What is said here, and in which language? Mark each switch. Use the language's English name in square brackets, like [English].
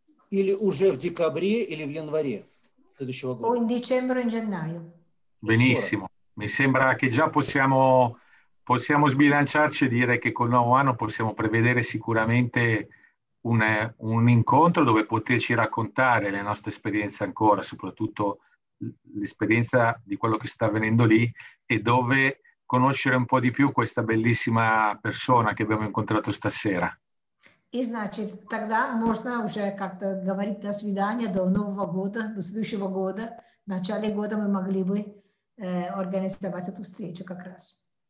[Russian] Или уже в декабре, или в январе следующего года. [Italian] O in dicembre, in gennaio. Benissimo. Mi sembra che già possiamo possiamo sbilanciarci e dire che col nuovo anno possiamo prevedere sicuramente un incontro dove poterci raccontare le nostre esperienze ancora, soprattutto l'esperienza di quello che sta avvenendo lì e dove conoscere un po' di più questa bellissima persona che abbiamo incontrato stasera. [Russian] И значит, тогда можно уже как-то говорить до свидания до Нового года, до следующего года. В начале года мы могли бы организовать эту встречу как раз.